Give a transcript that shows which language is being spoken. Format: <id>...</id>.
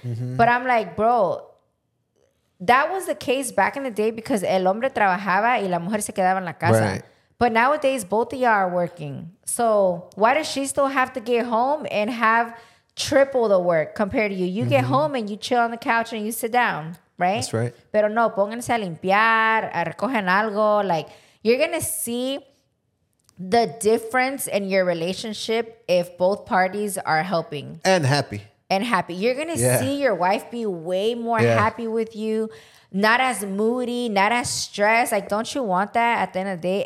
<en>Mm-hmm. But I'm like, bro, that was the case back in the day, because</en> <es>el hombre trabajaba y la mujer se quedaba en la casa.</es> <en>Right. But nowadays, both of y'all are working. So why does she still have to get home and have triple the work compared to you? You mm-hmm. get home and you chill on the couch and you sit down, right? That's right.</en> <es>Pero no, pónganse a limpiar, a recogen algo.</es> <en>Like, you're going to see the difference in your relationship if both parties are helping. And happy. You're going to see your wife be way more happy with you. Not as moody, not as stressed. Like, don't you want that at the end of the day?</en>